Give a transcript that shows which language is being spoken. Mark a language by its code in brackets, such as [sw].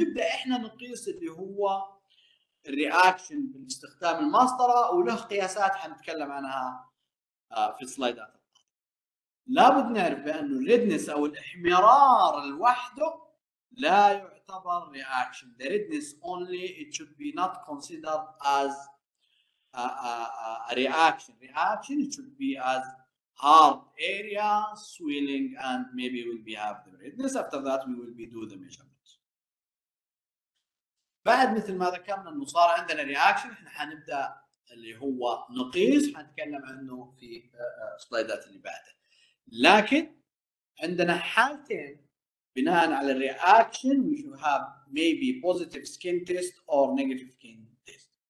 [ar] نبدا احنا نقيس اللي هو الرياكشن باستخدام المسطرة، وله قياسات حنتكلم عنها في السلايدات. لابد نعرف بأن الريدنس أو الاحمرار لوحده لا يعتبر رياكشن. [en] The redness only it should be not considered as a reaction. Reaction it should be as hard area swelling and maybe will be have the redness. After that we will be do the measurement. [ar] بعد مثل ما ذكرنا انه صار عندنا رياكشن، احنا حنبدا اللي هو نقيس، حنتكلم عنه في السلايدات اللي بعده. لكن عندنا حالتين بناء على الرياكشن، [en] we should have maybe positive skin test or negative skin test.